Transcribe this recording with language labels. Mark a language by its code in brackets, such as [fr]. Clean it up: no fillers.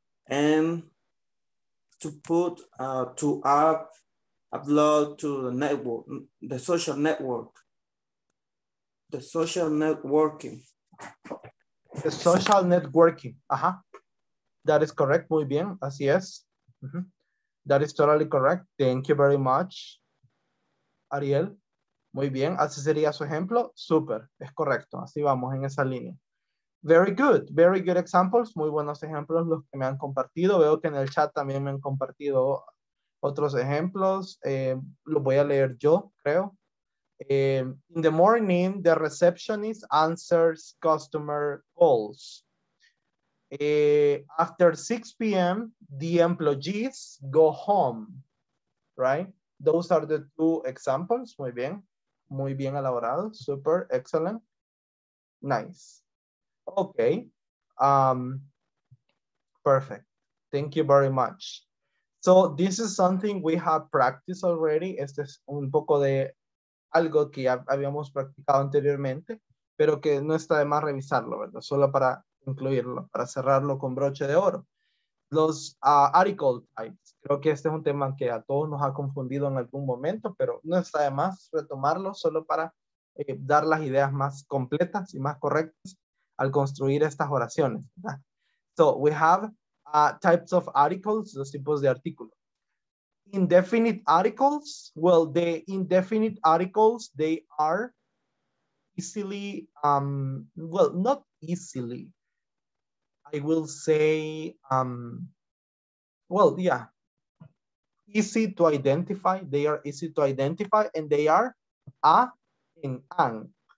[en] And to put, to upload to the network, the social network, the social networking. The social networking, uh-huh. That is correct, [es] muy bien, así es. [en] Mm-hmm. That is totally correct, thank you very much. [es] Ariel, muy bien, así sería su ejemplo, super, es correcto, así vamos en esa línea. [en] Very good examples, [es] muy buenos ejemplos los que me han compartido. Veo que en el chat también me han compartido otros ejemplos. Los voy a leer yo, creo. [en] In the morning, the receptionist answers customer calls. After 6 p.m., the employees go home, right? Those are the two examples, [es] muy bien elaborado, [en] super, excellent, nice. Okay, perfect. Thank you very much. So this is something we have practiced already. [es] Este es un poco de algo que ya habíamos practicado anteriormente, pero que no está de más revisarlo, ¿verdad? Solo para incluirlo, para cerrarlo con broche de oro. Los article types. Creo que este es un tema que a todos nos ha confundido en algún momento, pero no está de más retomarlo solo para dar las ideas más completas y más correctas al construir estas oraciones. [en] So we have types of articles, [es] los tipos de artículos. [en] Indefinite articles, well, the indefinite articles, they are easily, well, not easily, I will say, well, yeah, easy to identify, they are easy to identify, and they are a and an.